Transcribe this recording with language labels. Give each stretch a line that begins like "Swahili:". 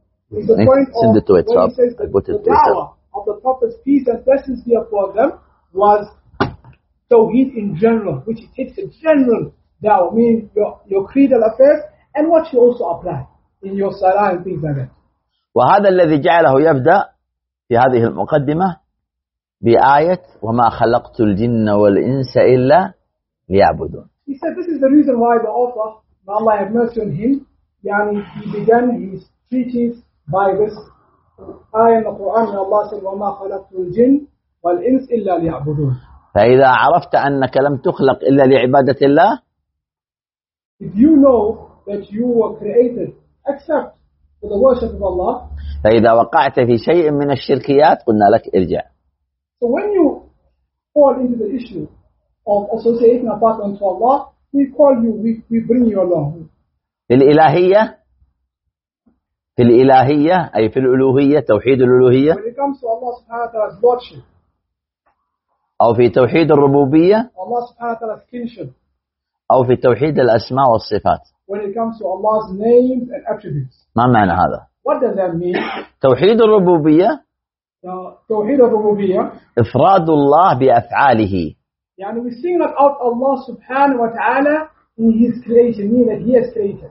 English: The point of the da'wah of the Prophet's peace and blessings be upon them was Tawheed in general, which takes a general da'wah, meaning your creedal affairs and what you also apply in your salah and things like that.
Arabic: وهذا الذي جعله يبدأ في هذه المقدمة بآية وما خلقت الجن والإنس إلا ليعبدون.
English: He said this is the reason why the author, may Allah have mercy on him, يعني he began his treatise by this
Arabic: آية من القرآن من الله سبحانه وما خلقت الجن والإنس إلا ليعبدون. فإذا عرفت أنك لم تخلق إلا لعبادة الله.
English: If you know that you were created except for the worship of Allah.
Arabic: فإذا وقعت في شيء من الشركيات قلنا لك ارجع.
English: So when you fall into the issue of associating a part unto Allah, we call you, we bring you along.
Arabic: في الإلهية، في الإلهية أي في الألوهية، توحيد الألوهية.
English: When it comes to Allah subhanahu wa ta'ala's lordship.
Arabic: أو في توحيد الربوبية.
English: Allah subhanahu wa ta'ala's kingship.
Arabic: أو في توحيد الأسماء والصفات.
English: When it comes to Allah's names and attributes.
Arabic: ما معنى هذا؟
English: What does that mean?
Arabic: توحيد الربوبية. توحيد الربوبية. إفراد الله بأفعاله.
English: يعني we sing out Allah subhanahu wa ta'ala in His creation, meaning that He has created.